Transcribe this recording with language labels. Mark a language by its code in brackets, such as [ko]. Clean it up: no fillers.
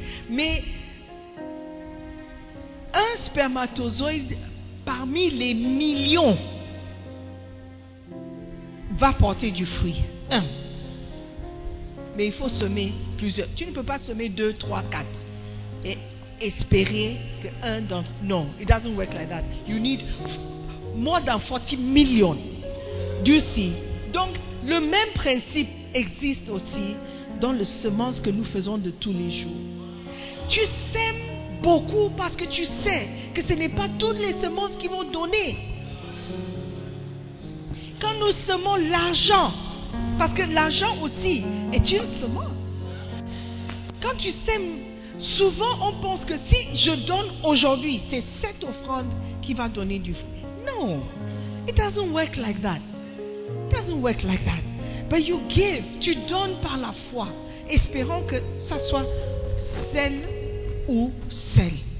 [fr] Mais un spermatozoïde parmi les millions va porter du fruit. Un. Mais il faut semer plusieurs. Tu ne peux pas semer deux, trois, quatre. Et espérer que un dans... [en] Non, it doesn't work like that. You need more than 40 million. Do you see? [fr] Donc, le même principe existe aussi dans le semence que nous faisons de tous les jours. Tu sèmes beaucoup parce que tu sais que ce n'est pas toutes les semences qui vont donner. Quand nous semons l'argent, parce que l'argent aussi est une semence. Quand tu sèmes, souvent on pense que si je donne aujourd'hui, c'est cette offrande qui va donner du fruit. [en] Non, it doesn't work like that. It doesn't work like that. But you give, [fr] tu donnes par la foi, espérant que ça soit celle ou celle.